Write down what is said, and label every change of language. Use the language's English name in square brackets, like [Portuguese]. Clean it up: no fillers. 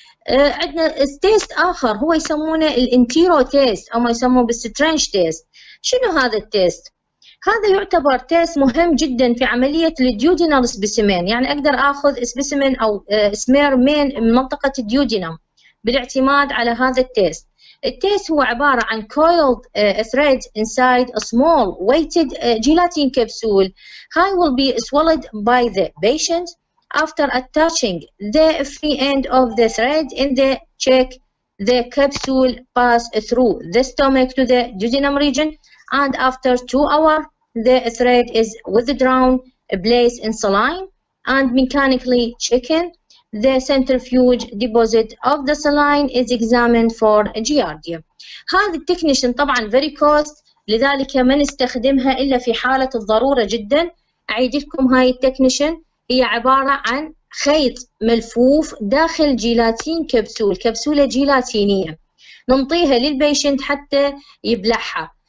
[Arabic] عندنا تيست آخر هو يسمونه الانتيرو تيست أو ما يسموه بالسترنش تيست. شنو هذا التيست؟ هذا يعتبر تيست مهم جدا في عملية الديودينال سبيسمين، يعني أقدر أخذ سبيسمين أو سمير من منطقة الديودينام بالاعتماد على هذا التيست. التيست هو عبارة عن [English] coiled thread inside a small weighted gelatin capsule. He will be swallowed by the patient after attaching the free end of the thread in the cheek. The capsule pass through the stomach to the duodenum region, and after 2 hours, the thread is withdrawn, placed in saline, and mechanically checked. The centrifuge deposit of the saline is examined for giardia. [Arabic] هذه التكنيشن طبعا [English] very cost، [Arabic] لذلك ما نستخدمها الا في حالة الضرورة جدا. اعيد لكم، هاي التكنيشن هي عبارة عن خيط ملفوف داخل جيلاتين كبسول، كبسولة جيلاتينية نمطيها للبيشنت حتى يبلعها.